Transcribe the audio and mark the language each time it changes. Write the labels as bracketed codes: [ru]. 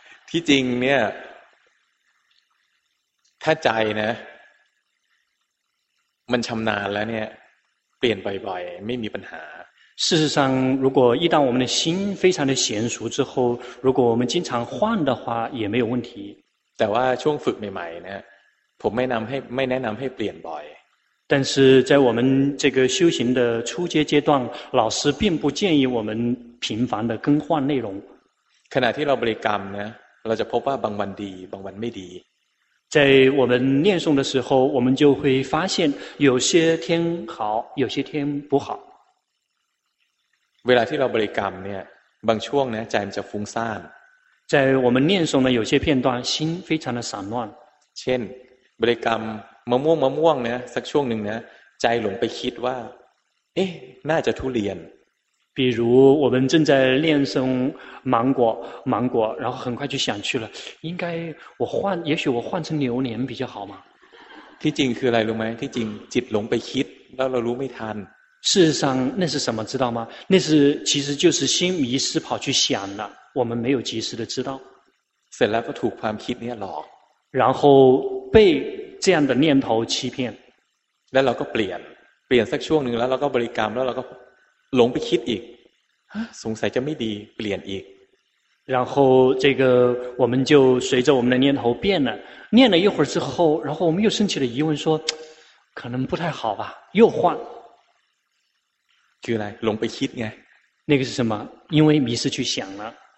[th] ที่จริงเนี่ยถ้าใจนะมันชำนาญแล้วเนี่ยเปลี่ยนบ่อยๆไม่มีปัญหา [zh] 事实上如果一旦我们的心非常的娴熟之后如果我们经常换的话也没有问题 [th] แต่ว่าช่วงฝึกใหม่ๆเนี่ยผมไม่แนะนำให้เปลี่ยนบ่อย [zh] 但是在我们这个修行的初阶阶段老师并不建议我们频繁的更换内容 [th] ขณะที่เราบริกรรมนะเราจะพบว่าบางวันดีบางวันไม่ดี [zh] 在我们念诵的时候我们就会发现有些天好有些天不好 [th] เวลาที่เราบริกรรมเนี่ยบางช่วงเนี่ยใจมันจะฟุ้งซ่าน [zh] 在我们念诵的有些片段心非常的散乱 [th] เช่นบริกรรมมะม่วงเนี่ยสักช่วงนึงนะใจหลงไปคิดว่าเอ๊ะน่าจะทุเรียน [zh] 比如我们正在念诵芒果然后很快就想去了应该我换也许我换成榴莲比较好嘛 [th] ที่จริงคืออะไรรู้ไหมที่จริงจิตหลงไปคิดแล้วเรารู้ไม่ทัน [zh] 事实上那是什么知道吗那是其实就是心迷失跑去想了我们没有及时的知道 [th] เสร็จแล้วก็ถูกความคิดเนี่ยหลอก [zh] 然后被这样的念头欺骗 [th] แล้วเราก็เปลี่ยนสักช่วงหนึ่งแล้วเราก็บริกรรมแล้วเราก็หลงไปคิดอีกสงสัยจะไม่ดีเปลี่ยนอีก [zh] 然后这个我们就随着我们的念头变了念了一会儿之后然后我们又升起了疑问说可能不太好吧又换 [th] คืออะไรหลงไปคิดไง [zh] 那个是什么因为迷失去想了